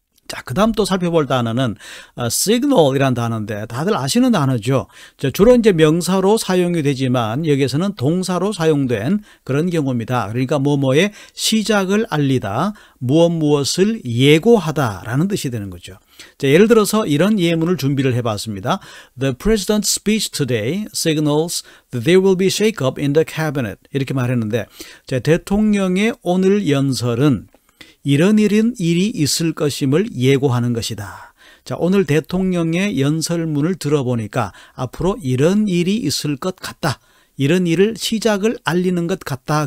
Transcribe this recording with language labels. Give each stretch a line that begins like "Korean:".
Korean: 자, 그 다음 또 살펴볼 단어는 signal이라는 단어인데 다들 아시는 단어죠. 자, 주로 이제 명사로 사용이 되지만 여기에서는 동사로 사용된 그런 경우입니다. 그러니까 뭐뭐의 시작을 알리다, 무엇무엇을 예고하다라는 뜻이 되는 거죠. 자, 예를 들어서 이런 예문을 준비를 해봤습니다.
English: The president's speech today signals that there will be shakeup in the cabinet.
Korean: 이렇게 말했는데 자, 대통령의 오늘 연설은 이런 일이 있을 것임을 예고하는 것이다. 자, 오늘 대통령의 연설문을 들어보니까 앞으로 이런 일이 있을 것 같다. 이런 일을 시작을 알리는 것 같다.